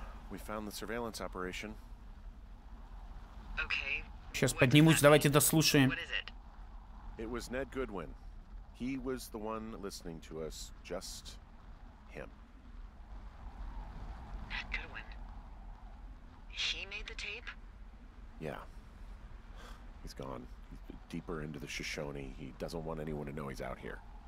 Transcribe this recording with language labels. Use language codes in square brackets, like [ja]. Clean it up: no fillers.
[en] We found the surveillance operation. Okay. [ru] Сейчас what поднимусь, давайте дослушаем. [en] It was Ned Goodwin. He was the one listening to us, just him. Ned Goodwin. He made the tape? Yeah. He's gone. He's deeper into the Shoshone. He doesn't want anyone to know he's out here.